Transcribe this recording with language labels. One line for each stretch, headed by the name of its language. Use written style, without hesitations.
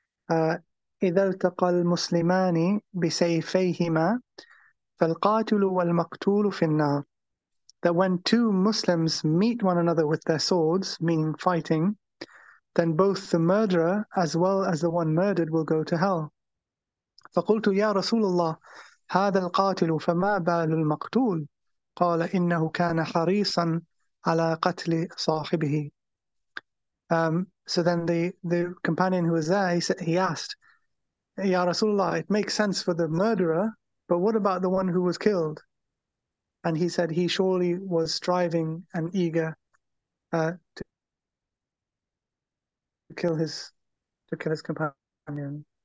Arabic: إِذَا الْتَقَى الْمُسْلِمَانِ بِسَيْفَيْهِمَا فَالْقَاتُلُ وَالْمَقْتُولُ فِي النَّارِ.
English: That when two Muslims meet one another with their swords, meaning fighting, then both the murderer as well as the one murdered will go to hell.
Arabic: فقلت يا رسول الله هذا القاتل فما بال المقتول قال إنه كان حريصا على قتل صاحبه.
English: So then the companion who was there, he asked,
Arabic: يا رسول الله,
English: it makes sense for the murderer, but what about the one who was killed? And he said, he surely was striving and eager to kill his companion.